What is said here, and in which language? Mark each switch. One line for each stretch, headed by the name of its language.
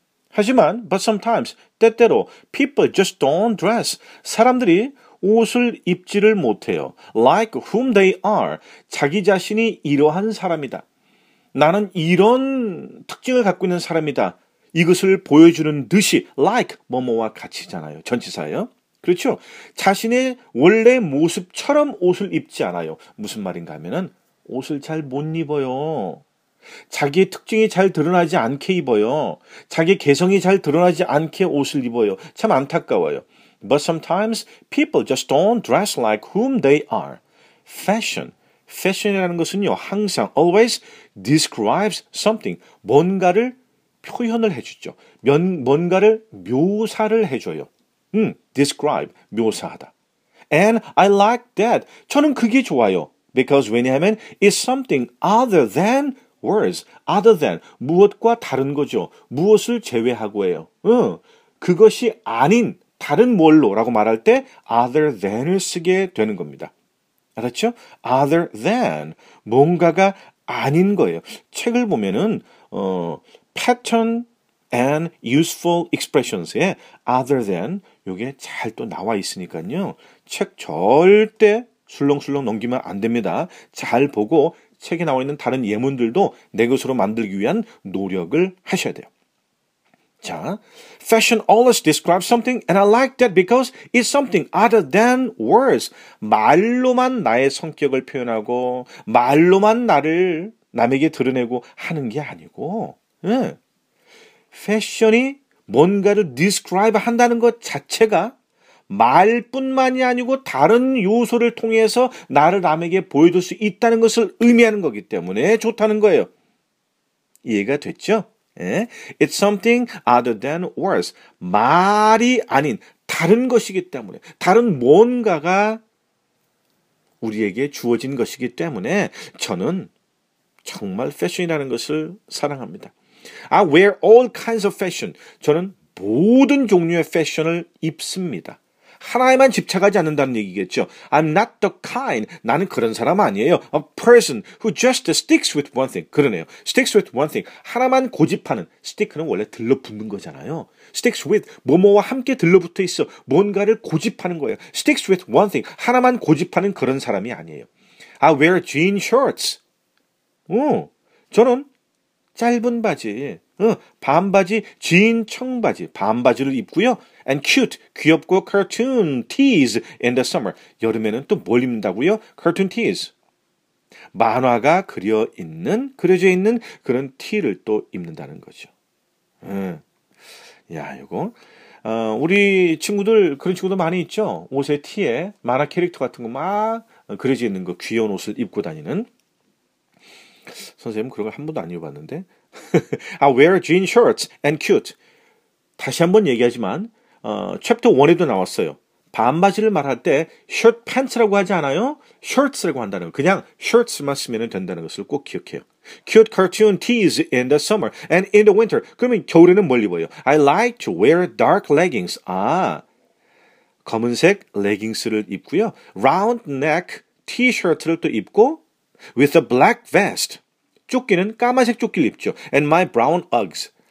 English: 하지만, but sometimes, 때때로, people just don't dress.
Korean: 사람들이 옷을 입지를 못해요.
English: Like whom they are,
Korean: 자기 자신이 이러한 사람이다. 나는 이런 특징을 갖고 있는 사람이다. 이것을 보여주는 듯이 like 뭐뭐와 같이잖아요. 전치사예요. 그렇죠? 자신의 원래 모습처럼 옷을 입지 않아요. 무슨 말인가 하면은 옷을 잘 못 입어요. 자기의 특징이 잘 드러나지 않게 입어요. 자기의 개성이 잘 드러나지 않게 옷을 입어요. 참 안타까워요.
English: But sometimes people just don't dress like whom they are. Fashion.
Korean: Fashion이라는 것은요. 항상
English: always describes something.
Korean: 뭔가를 표현을 해주죠. 뭔가를 묘사를 해줘요.
English: Describe, 묘사하다. And I like that.
Korean: 저는 그게 좋아요.
English: Because 왜냐하면 it's something other than words.
Korean: Other than, 무엇과 다른 거죠. 무엇을 제외하고예요. 그것이 아닌 다른 뭘로라고 말할 때 other than을 쓰게 되는 겁니다. 알았죠? Other than, 뭔가가 아닌 거예요. 책을 보면은
English: pattern and useful expressions
Korean: 에 other than 요게 잘 또 나와 있으니까요. 책 절대 술렁술렁 넘기면 안 됩니다. 잘 보고 책에 나와 있는 다른 예문들도 내 것으로 만들기 위한 노력을 하셔야 돼요.
English: 자, fashion always describes something and I like that because it's something other than words.
Korean: 말로만 나의 성격을 표현하고 말로만 나를 남에게 드러내고 하는 게 아니고 패션이 뭔가를 describe 한다는 것 자체가 말뿐만이 아니고 다른 요소를 통해서 나를 남에게 보여줄 수 있다는 것을 의미하는 거기 때문에 좋다는 거예요. 이해가 됐죠? 예?
English: It's something other than words.
Korean: 말이 아닌 다른 것이기 때문에, 다른 뭔가가 우리에게 주어진 것이기 때문에 저는 정말 패션이라는 것을 사랑합니다.
English: I wear all kinds of fashion.
Korean: 저는 모든 종류의 패션을 입습니다. 하나에만 집착하지 않는다는 얘기겠죠.
English: I'm not the kind.
Korean: 나는 그런 사람 아니에요.
English: A person who just sticks with one thing.
Korean: 그러네요.
English: Sticks with one thing.
Korean: 하나만 고집하는. Stick는 원래 들러붙는 거잖아요. Sticks with. 뭐뭐와 함께 들러붙어 있어. 뭔가를 고집하는 거예요.
English: Sticks with one thing.
Korean: 하나만 고집하는 그런 사람이 아니에요.
English: I wear jean shorts.
Korean: 저는 짧은 바지, 반바지, 진 청바지, 반바지를 입고요.
English: And cute, 귀엽고 cartoon tees in the summer.
Korean: 여름에는 또 뭘 입는다고요?
English: Cartoon tees.
Korean: 만화가 그려져 있는 그런 티를 또 입는다는 거죠. 야, 이거. 우리 친구들, 그런 친구도 많이 있죠? 옷에 티에 만화 캐릭터 같은 거 막 그려져 있는 거, 귀여운 옷을 입고 다니는. 선생님 그런 걸 한 번도 안 입어봤는데
English: I wear jean shorts and cute.
Korean: 다시 한번 얘기하지만 챕터 1에도 나왔어요. 반바지를 말할 때 short pants라고 하지 않아요? shorts라고 한다는 거. 그냥 shorts만 쓰면 된다는 것을 꼭 기억해요.
English: Cute cartoon tees in the summer and in the winter.
Korean: 그러면 겨울에는 뭘 입어요?
English: I like to wear dark leggings.
Korean: 아, 검은색 레깅스를 입고요.
English: Round neck t-shirt를
Korean: 또 입고
English: With a black vest.
Korean: 조끼는 까만색 조끼를 입죠.
English: And my brown Uggs.